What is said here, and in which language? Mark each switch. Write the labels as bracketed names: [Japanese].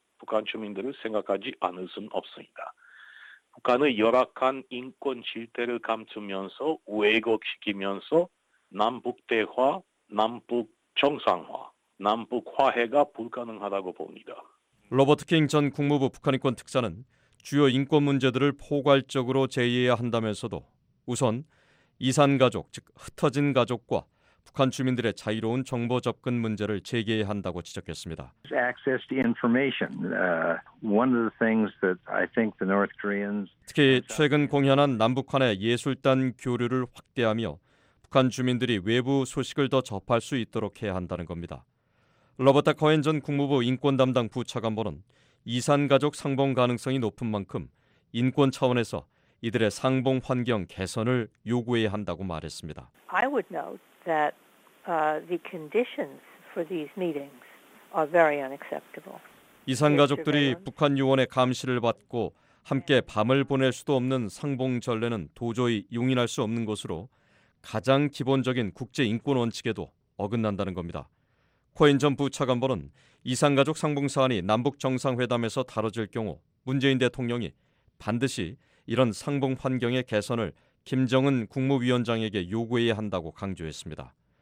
[Korean] 북한 주민들을 생각하지 않을 수는 없습니다. 북한의 열악한 인권 질태를 감추면서 왜곡시키면서 남북대화, 남북정상화, 남북화해가 불가능하다고 봅니다. 로버트 킹 전 국무부 북한인권 특사는 주요 인권 문제들을 포괄적으로 제의해야 한다면서도 우선 이산가족, 즉 흩어진 가족과 북한 주민들의 자유로운 정보 접근 문제를 제기해야 한다고 지적했습니다. [English] Access to information. One of the things that I think the North Koreans [Korean] 특히 최근 공연한 남북한의 예술단 교류를 확대하며 북한 주민들이 외부 소식을 더 접할 수 있도록 해야 한다는 겁니다. 로버타 커헨 전 국무부 인권 담당 부차관보는 이산 가족 상봉 가능성이 높은 만큼 인권 차원에서 이들의 상봉 환경 개선을 요구해야 한다고 말했습니다. [English] I would note that the conditions for these meetings are very unacceptable. [Korean] 이산 가족들이 북한 요원의 감시를 받고 함께 밤을 보낼 수도 없는 상봉 전례는 도저히 용인할 수 없는 것으로 가장 기본적인 국제 인권 원칙에도 어긋난다는 겁니다. 코인 전 부차관보는 이산 가족 상봉 사안이 남북 정상회담에서 다뤄질 경우 문재인 대통령이 반드시 이런 상봉 환경의 개선을 김정은 국무위원장에게 요구해야 한다고 강조했습니다.